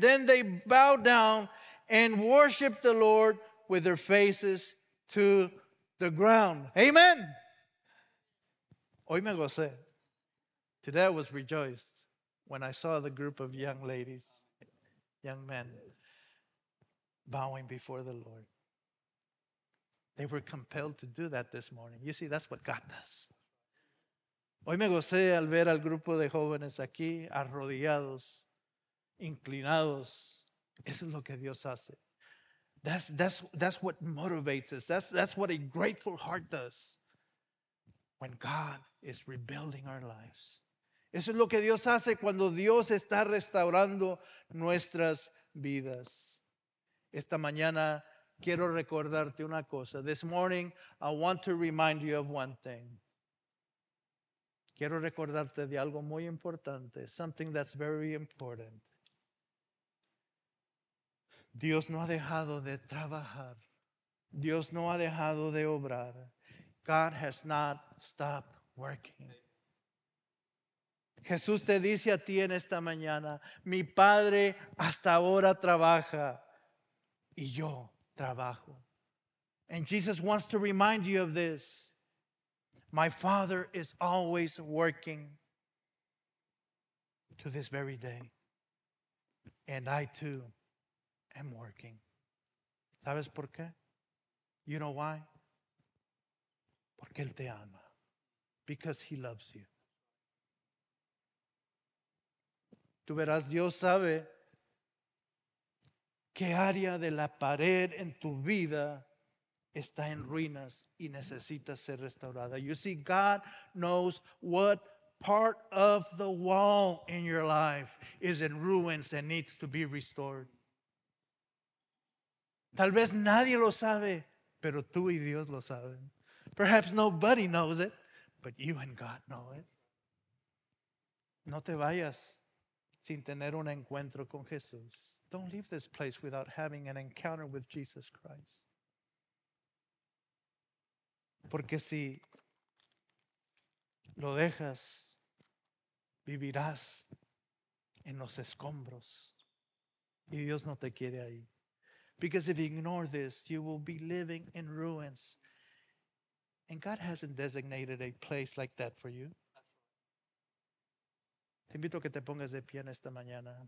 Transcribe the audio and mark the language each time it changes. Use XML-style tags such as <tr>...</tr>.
<en>Then they bowed down and worshiped the Lord with their faces to the ground. Amen.</en> <es>Hoy me gocé.</es> <en>Today I was rejoiced when I saw the group of young ladies, young men, bowing before the Lord. They were compelled to do that this morning. You see, that's what God does.</en> <es>Hoy me gocé al ver al grupo de jóvenes aquí, arrodillados, inclinados. Eso es lo que Dios hace.</es> <en>That's what motivates us. That's what a grateful heart does when God is rebuilding our lives.</en> <es>Eso es lo que Dios hace cuando Dios está restaurando nuestras vidas. Esta mañana quiero recordarte una cosa.</es> <en>This morning, I want to remind you of one thing.</en> <es>Quiero recordarte de algo muy importante,</es> <en>something that's very important.</en> <es>Dios no ha dejado de trabajar. Dios no ha dejado de obrar.</es> <en>God has not stopped working.</en> <es>Jesús te dice a ti en esta mañana, mi Padre hasta ahora trabaja y yo trabajo.</es> <en>And Jesus wants to remind you of this. My Father is always working to this very day. And I too am working.</en> <es>¿Sabes por qué?</es> <en>You know why?</en> <es>Porque Él te ama.</es> <en>Because He loves you.</en> <es>Tú verás, Dios sabe qué área de la pared en tu vida está en ruinas y necesita ser restaurada.</es> <en>You see, God knows what part of the wall in your life is in ruins and needs to be restored.</en> <es>Tal vez nadie lo sabe, pero tú y Dios lo saben.</es> <en>Perhaps nobody knows it, but you and God know it.</en> <es>No te vayas sin tener un encuentro con Jesús.</es> <en>Don't leave this place without having an encounter with Jesus Christ.</en> <es>Porque si lo dejas, vivirás en los escombros. Y Dios no te quiere ahí.</es> <en>Because if you ignore this, you will be living in ruins. And God hasn't designated a place like that for you.</en> <es>Te invito a que te pongas de pie en esta mañana.</es>